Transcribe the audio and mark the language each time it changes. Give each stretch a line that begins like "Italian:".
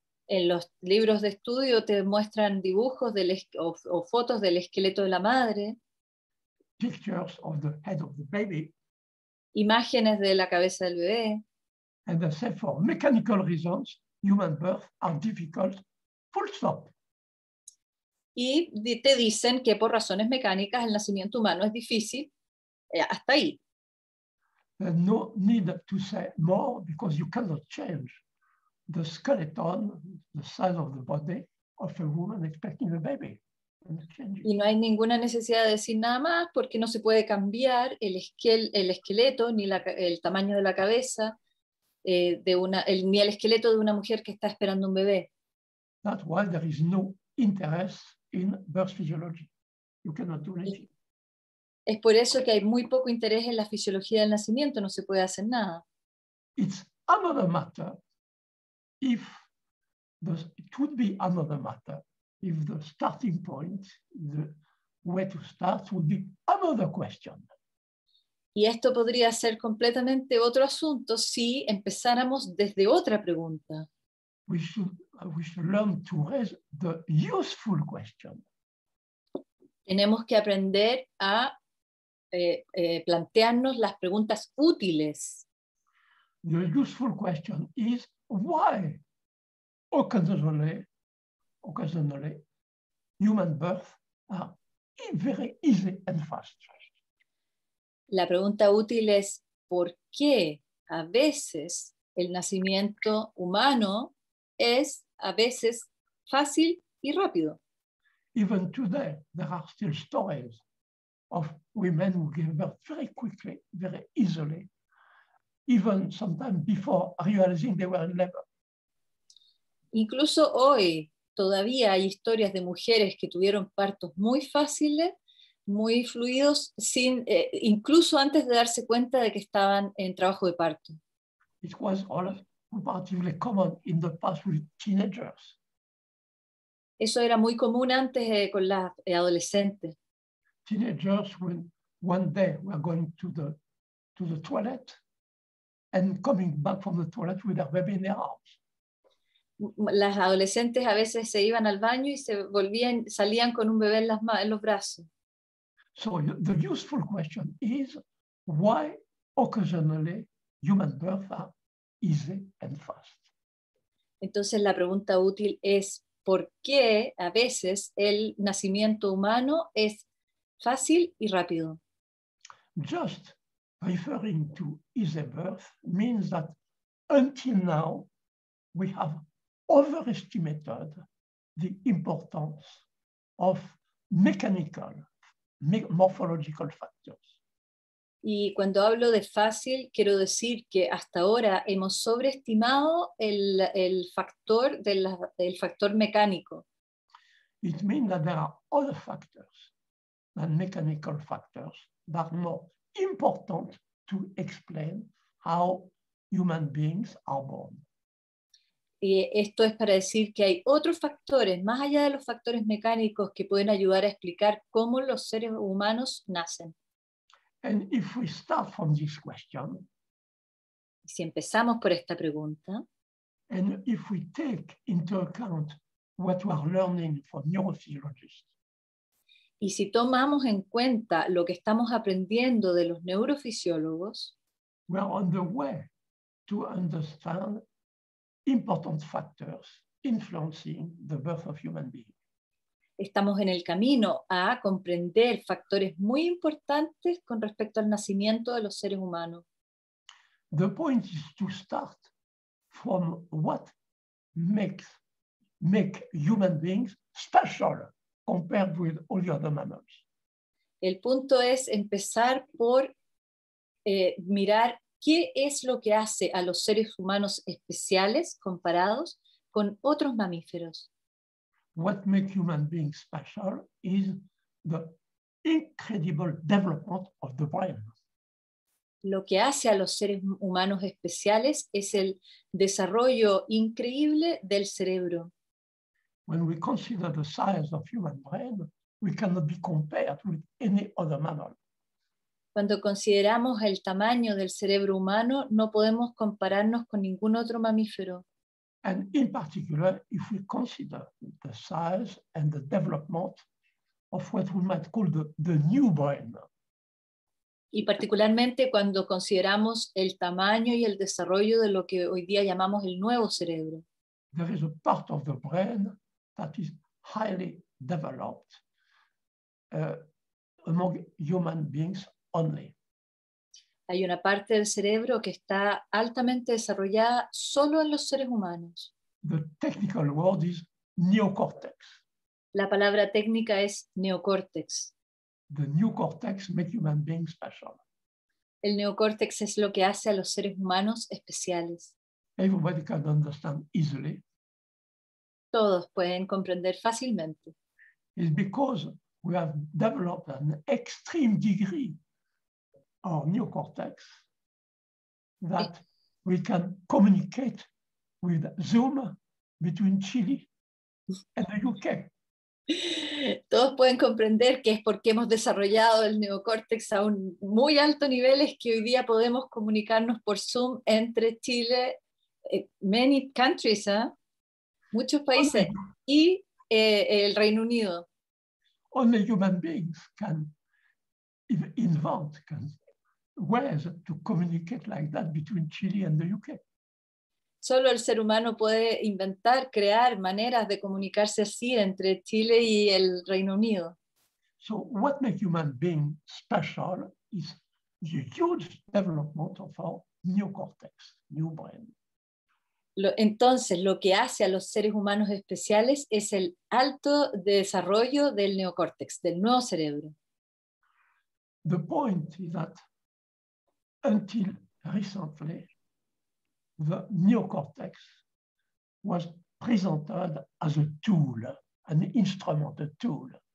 Spanish: En los libros de estudio te muestran dibujos del o fotos del esqueleto de la madre.
English: Pictures of the head of the baby.
Spanish: Imágenes de la cabeza del bebé.
English: And they say for mechanical reasons, human births are difficult. Full stop.
Spanish: Y te dicen que por razones mecánicas el nacimiento humano es difícil, hasta ahí.
English: There's no need to say more because you cannot change the skeleton, the size of the body of a woman expecting a baby.
Spanish: Y no hay ninguna necesidad de decir nada más porque no se puede cambiar el esqueleto ni el tamaño de la cabeza ni el esqueleto de una mujer que está esperando un bebé.
English: That's why there is no interest in birth physiology. You cannot do anything.
Spanish: Es por eso que hay muy poco interés en la fisiología del nacimiento, no se puede hacer nada.
English: It's another matter if it would be another matter if the starting point, the way to start, would be another question.
Spanish: Y esto podría ser completamente otro asunto si empezáramos desde otra pregunta.
English: We should learn to raise the useful question.
Spanish: Tenemos que aprender a plantearnos las preguntas útiles.
English: The useful question is why occasionally human births are very easy and fast.
Spanish: La pregunta útil es ¿por qué a veces el nacimiento humano es a veces fácil y rápido?
English: Even today, there are still stories of women who give birth very quickly, very easily, even sometimes before realizing they were in labor.
Spanish: Incluso hoy, todavía hay historias de mujeres que tuvieron partos muy fáciles, muy fluidos, incluso antes de darse cuenta de que estaban en trabajo de parto.
English: It was comparatively common in the past with teenagers.
Spanish: Eso era muy común antes con las adolescentes.
English: Teenagers when one day were going to the toilet and coming back from the toilet with their baby in their arms.
Spanish: Las adolescentes a veces se iban al baño y salían con un bebé en los brazos.
English: So the useful question is why occasionally human births are easy and fast.
Spanish: Entonces la pregunta útil es ¿por qué a veces el nacimiento humano es fácil y rápido?
English: Just referring to easy birth means that until now we have overestimated the importance of mechanical, morphological factors.
Spanish: Y cuando hablo de fácil, quiero decir que hasta ahora hemos sobreestimado el factor mecánico.
English: It means that there are other factors than mechanical factors that are more important to explain how human beings are born.
Spanish: Y esto es para decir que hay otros factores, más allá de los factores mecánicos, que pueden ayudar a explicar cómo los seres humanos nacen.
English: And if we start from this question,
Spanish: si empezamos por esta pregunta,
English: and if we take into account what we are learning from neurophysiologists,
Spanish: y si tomamos en cuenta lo que estamos aprendiendo de los neurofisiólogos,
English: we are on the way to understand important factors influencing the birth of human beings.
Spanish: Estamos en el camino a comprender factores muy importantes con respecto al nacimiento de los seres humanos.
English: The point is to start from what makes human beings special compared with all the other mammals.
Spanish: El punto es empezar por mirar qué es lo que hace a los seres humanos especiales comparados con otros mamíferos.
English: What makes human beings special is the incredible development of the brain.
Spanish: Lo que hace a los seres humanos especiales es el desarrollo increíble del cerebro.
English: When we consider the size of human brain, we cannot be compared with any other mammal.
Spanish: Cuando consideramos el tamaño del cerebro humano, no podemos compararnos con ningún otro mamífero.
English: And in particular, if we consider the size and the development of what we might call the new brain.
Spanish: Y particularmente cuando consideramos el tamaño y el desarrollo de lo que hoy día llamamos el nuevo cerebro.
English: There is a part of the brain that is highly developed among human beings only.
Spanish: Hay una parte del cerebro que está altamente desarrollada solo en los seres humanos.
English: The technical word is neocortex.
Spanish: La palabra técnica es neocórtex.
English: The neocortex makes human beings special.
Spanish: El neocórtex es lo que hace a los seres humanos especiales.
English: Everybody can understand easily.
Spanish: Todos pueden comprender fácilmente.
English: It's because we have developed an extreme degree our neocortex, that we can communicate with Zoom between Chile and the UK.
Spanish: Todos pueden comprender que es porque hemos desarrollado el neocórtex a un muy alto nivel es que hoy día podemos comunicarnos por Zoom entre Chile,
English: many countries,
Spanish: muchos países, y el Reino Unido.
English: Only human beings can invent, can ways to communicate like that between Chile and the UK.
Spanish: Solo el ser humano puede inventar, crear maneras de comunicarse así entre Chile y el Reino Unido.
English: So what makes human beings special is the huge development of our neocortex, new brain.
Spanish: Entonces, lo que hace a los seres humanos especiales es el alto desarrollo del neocórtex, del nuevo cerebro.
English: The point is that until recently, the neocortex was presented as a tool, an instrument, a tool.